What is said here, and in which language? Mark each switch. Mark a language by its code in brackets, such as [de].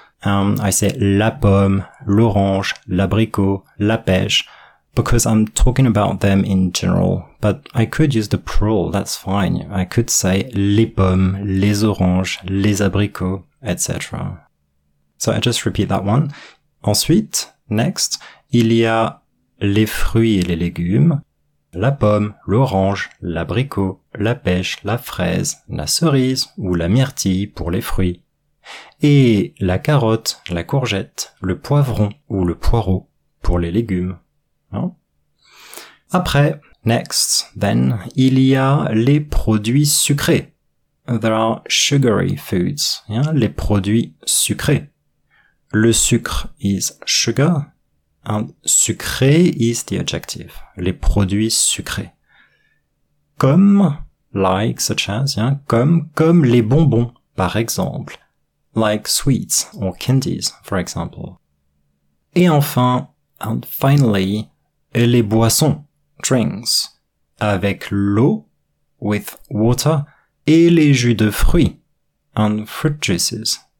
[en] I say la pomme, l'orange, l'abricot, la pêche, because I'm talking about them in general, but I could use the plural, that's fine. I could say les pommes, les oranges, les abricots, etc. So I just repeat that one. [fr] Ensuite, next, il y a les fruits et les légumes, la pomme, l'orange, l'abricot, la pêche, la fraise, la cerise ou la myrtille pour les fruits, et la carotte, la courgette, le poivron ou le poireau pour les légumes. Non? Après, next, then, il y a les produits sucrés. [en] There are sugary foods, yeah? [fr] Les produits sucrés. Le sucre [en] is sugar. And sucré is the adjective, [fr] les produits sucrés. Comme, [en] like, such as, yeah, [fr] comme les bonbons, par exemple. [en] Like sweets or candies, for example. [fr] Et enfin, [en] and finally, [fr] les boissons, [en] drinks, [fr] avec l'eau, [en] with water, [fr] et les jus de fruits, [en] and fruit juices.